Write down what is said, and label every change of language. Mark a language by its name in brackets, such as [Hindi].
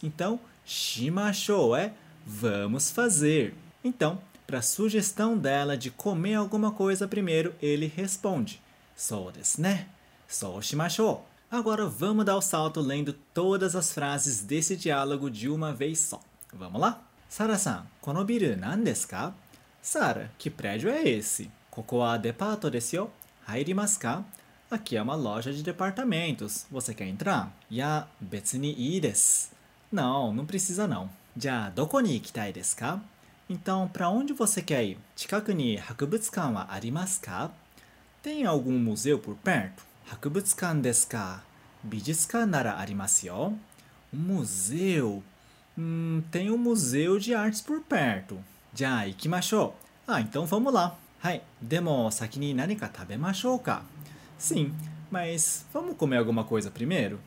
[Portuguese] Então, しましょう é vamos fazer. Então, para a sugestão dela de comer alguma coisa primeiro, ele responde. [Japanese] そうですね。そうしましょう。 [Portuguese] Agora vamos dar o salto lendo todas as frases desse diálogo de uma vez só. Vamos lá? [Japanese] Sara-san, このビル何ですか? [Portuguese] Sara, que prédio é esse? [Japanese] ここはデパートですよ。入りますか? [Portuguese] Aqui é uma loja de departamentos. Você quer entrar? [Japanese] Ya, 別にいいです。 [Portuguese] Não, não precisa não. [Japanese] じゃあ、どこに行きたいですか? [Portuguese] Então, para onde você quer ir? [Japanese] 近くに博物館はありますか? [Portuguese] Tem algum museu por perto? [Japanese] 博物館ですか? 美術館ならありますよ。 [Portuguese] Um museu? Tem um museu de artes por perto. [Japanese] じゃあ行きましょう。 [Portuguese] Ah, então vamos lá. [Japanese] はい、でも先に何か食べましょうか? [Portuguese] Sim, mas vamos comer alguma coisa primeiro?